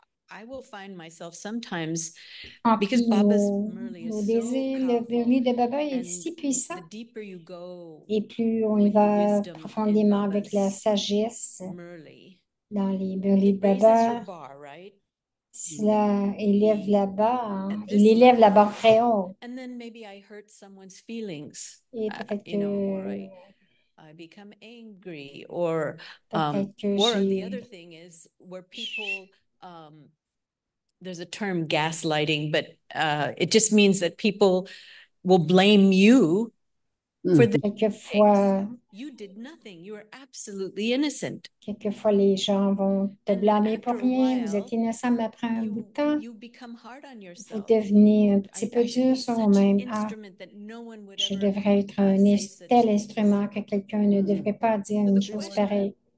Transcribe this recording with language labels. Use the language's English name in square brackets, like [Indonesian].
[English] I will find myself sometimes, because [French] Baba's désir, le merveilleux de Baba est si puissant. Et plus on y va profondément avec la sagesse dans les merveilleux de Baba, cela élève la barre, hein? Il élève la barre très haut. [English] And then maybe I hurt someone's feelings. [French] Et peut-être que [English] I become angry, or the other thing is where people there's a term, gaslighting, but it just means that people will blame you for the [French] quelquefois, [English] you did nothing. You are absolutely innocent. [French] Quelquefois, les gens vont te blâmer pour rien. Vous êtes innocent, mais après un bout de temps, vous devenez un petit peu dur sur vous-même. Ah, je devrais être un tel instrument que quelqu'un ne devrait pas dire une chose pareille.